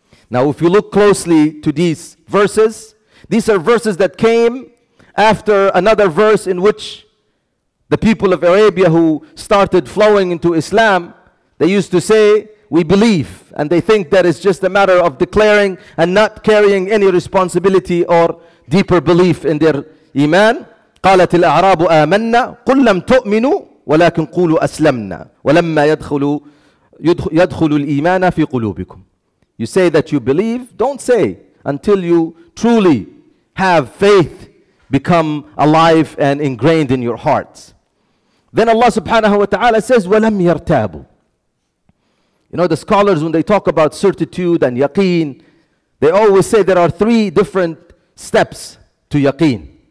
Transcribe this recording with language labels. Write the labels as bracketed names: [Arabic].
[English] Now if you look closely to these verses, these are verses that came after another verse in which the people of Arabia who started flowing into Islam, they used to say, we believe, and they think that it's just a matter of declaring and not carrying any responsibility or deeper belief in their iman. [Arabic] قالت الأعراب آمنا قل لم تؤمنوا ولكن قولوا أسلمنا ولما يدخل الإيمان في قلوبكم. [English] You say that you believe, don't say until you truly have faith become alive and ingrained in your hearts. Then Allah subhanahu wa ta'ala says, [Arabic] وَلَمْ يَرْتَابُوا. [English] You know, the scholars, when they talk about certitude and yaqeen, they always say there are three different steps to yaqeen.